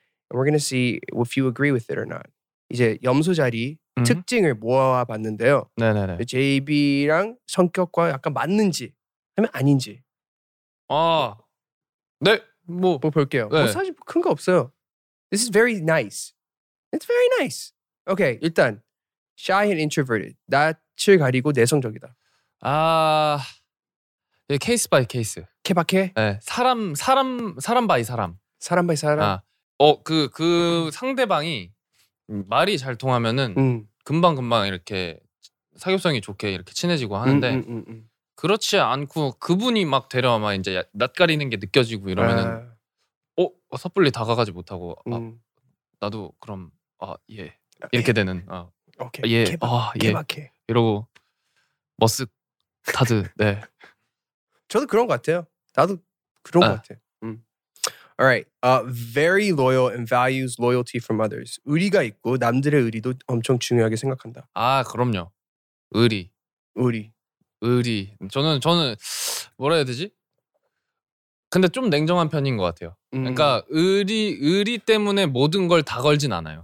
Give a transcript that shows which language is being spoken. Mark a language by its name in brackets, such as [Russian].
[English] And we're going to see if you agree with it or not. [Korean] 이제 염소자리 특징을 모아봤는데요. 네네네. JB랑 성격과 약간 맞는지 아니면 아닌지. 아, 네. 뭐 볼게요. 네. 뭐 사실 큰 거 없어요. [English] This is very nice. [Korean] It's very nice. [English] Okay, [Korean] 일단 [English] shy and introverted. [Korean] 낯을 가리고 내성적이다. [English] 아, 네, case by case. [Korean] 케바케? 네, 사람 by 사람. 사람 by 사람? 아. 그 상대방이 말이 잘 통하면은 금방 이렇게 사교성이 좋게 이렇게 친해지고 하는데 그렇지 않고 그분이 막 되려 아마 이제 낯가리는 게 느껴지고 이러면은 섣불리 다가가지 못하고 나도 그럼 예 이렇게 되는 오케이 예 개박해 이러고 머쓱 타드 네 저도 그런 것 같아요 나도 그런 것 같아. [English] Alright, very loyal and values loyalty from others. [Korean] 의리가 있고 남들의 의리도 엄청 중요하게 생각한다. 아, 그럼요. 의리. 의리. 의리. 저는 뭐라 해야 되지? 근데 좀 냉정한 편인 것 같아요. 그러니까 의리 때문에 모든 걸 다 걸진 않아요.